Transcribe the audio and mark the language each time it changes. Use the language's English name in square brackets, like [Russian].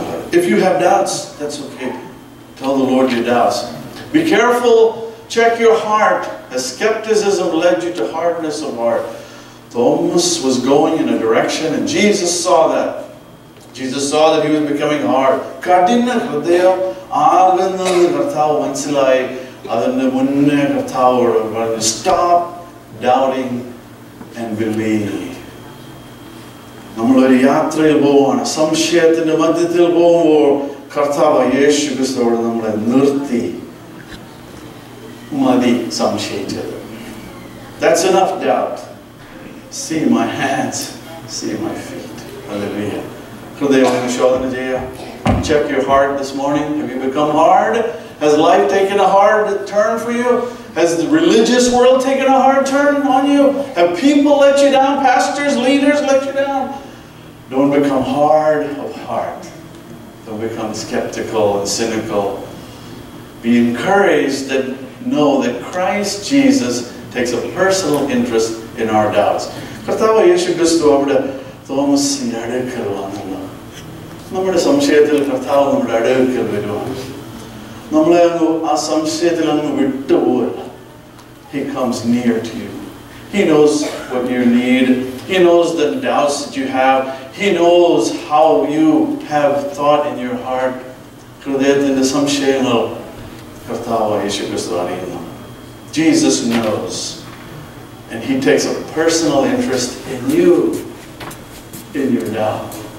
[English] If you have doubts, that's okay. Tell the Lord your doubts. Be careful, check your heart, as skepticism led you to hardness of heart. Thomas was going in a direction and Jesus saw that. Jesus saw that he was becoming hard. [Malayalam] Kadina hrudaya ആകുന്നത് കർത്താവ് മനസ്സിലായി. അതിൻ്റെ മുന്നേ കർത്താവോട് പറഞ്ഞു, [English] Stop doubting and believe. [Malayalam] നമ്മളൊരു യാത്രയിൽ പോവുകയാണ്, സംശയത്തിൻ്റെ മധ്യത്തിൽ പോകുമ്പോൾ കർത്താവ് യേശു ക്രിസ്തുവോട് നമ്മളെ നിർത്തി, മതി സംശയിച്ചത്. [English] That's enough doubt. See my hands, see my feet. Hallelujah. [Malayalam] ഹൃദയം ശോധന ചെയ്യുക. [English] Check your heart this morning. Have you become hard? Has life taken a hard turn for you? Has the religious world taken a hard turn on you? Have people let you down? Pastors, leaders let you down? Don't become hard of heart. Don't become skeptical and cynical. Be encouraged and know that Christ Jesus takes a personal interest in our doubts. [Malayalam] കർത്താവ് യേശു ക്രിസ്തു അവിടെ തോമസിന്റെ അടുക്കൽ വന്നു. നമ്മുടെ സംശയത്തിൽ കർത്താവ് നമ്മുടെ അടുക്കൽ വരുവാണ്. നമ്മളെ അങ്ങ് ആ സംശയത്തിൽ അങ്ങ് വിട്ടുപോവില്ല. [English] He comes near to you. He knows what you need. He knows the doubts that you have. He knows how you have thought in your heart. [Malayalam] ഹൃദയത്തിൻ്റെ സംശയങ്ങൾ കർത്താവ് യേശു ക്രിസ്തു അറിയുന്നു. [English] Jesus knows. And he takes a personal interest in you, in your doubt.